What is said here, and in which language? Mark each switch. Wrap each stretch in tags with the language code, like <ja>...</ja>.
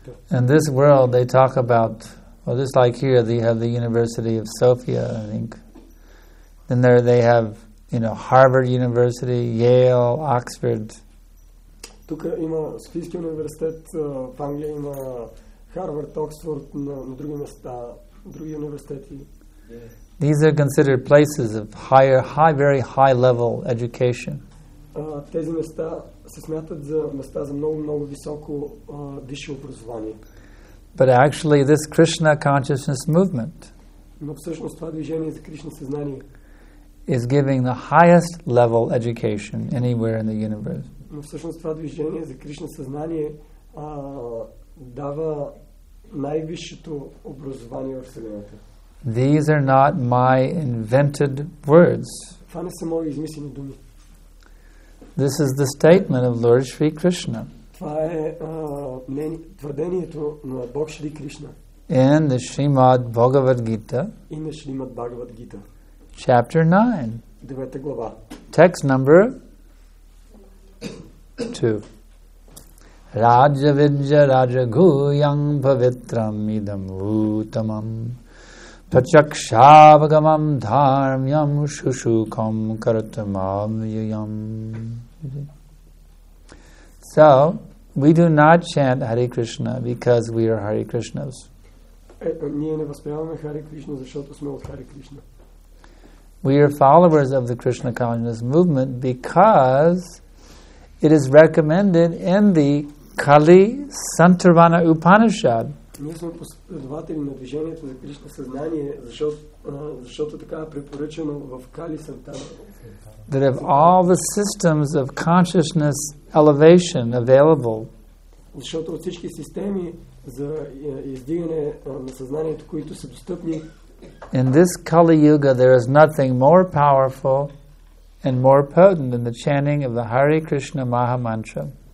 <en>In this world they talk about, well, just like here they have the University of Sofia, I think. Then there they have, you know, Harvard University, Yale, Oxford.</en> <bg>Тук има Софийския университет, в Англия има Харвард, Оксфорд, на други места, други университети.</bg> <en>These are considered places of higher, high, very high level education.</en> <bg>Тези места се смятат за места за много, много високо висше образование.</bg> <en>But actually this Krishna consciousness movement,</en> <bg>но всъщност това движение за Кришна съзнание,</bg> <en>is giving the highest level education anywhere in the universe.</en> <bg>Но всъщност това движение за Кришна съзнание дава най-висшето образование в Вселената.</bg> <en>These are not my invented words.</en> <bg>Това не са мои измислени думи.</bg> <en>This is the statement of Lord Shri Krishna.</en> <bg>Това е твърдението на Бог Шри Кришна.</bg> <en>In the Srimad Bhagavad Gita. In the Srimad Bhagavad Gita. Chapter 9.</en> <bg>Девета глава.</bg> <en>Text number 2.</en> <sa>Raja vidya raja guyam pavitram idam utamam pachakshavagamam dharmyam shushukam kartamam yayam.</sa> <en>So, we do not chant Hare Krishna because we are Hare Krishnas.</en> <bg>Ние не възпяваме Hare Krishna, защото сме от Hare Krishna.</bg> <en>We are followers of the Krishna consciousness movement because it is recommended in the Kali Santarvana Upanishad.</en> <bg>Ние сме последователи на движението за Кришна съзнание, защото така е препоръчено в Kali Santarvana.</bg> <en>That if all the systems of consciousness elevation available,</en> <bg>защото от всички системи за издигане на съзнанието, които са достъпни,</bg> <en>in this Kali Yuga there is nothing more powerful and more potent than the chanting of the Hare Krishna Maha Mantra.</en>